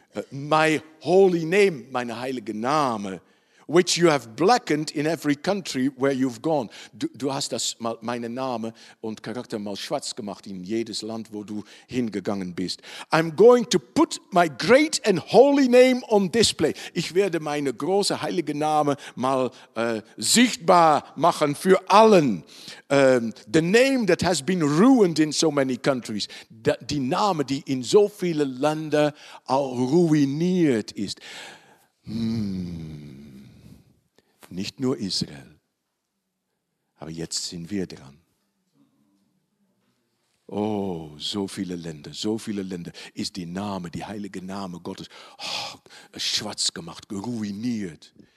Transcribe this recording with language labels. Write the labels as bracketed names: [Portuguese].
[English] My holy name, [German] mein heiliger Name, [English] which you have blackened in every country where you've gone. [German] Du hast das mal, meinen Namen und Charakter mal schwarz gemacht in jedes Land, wo du hingegangen bist. [English] I'm going to put my great and holy name on display. [German] Ich werde meine große heilige Name mal sichtbar machen für allen. [English] The name that has been ruined in so many countries. [German] Die Name, die in so viele Länder auch ruiniert ist. Nicht nur Israel, aber jetzt sind wir dran. Oh, so viele Länder ist die Name, die heilige Name Gottes, schwarz gemacht, ruiniert.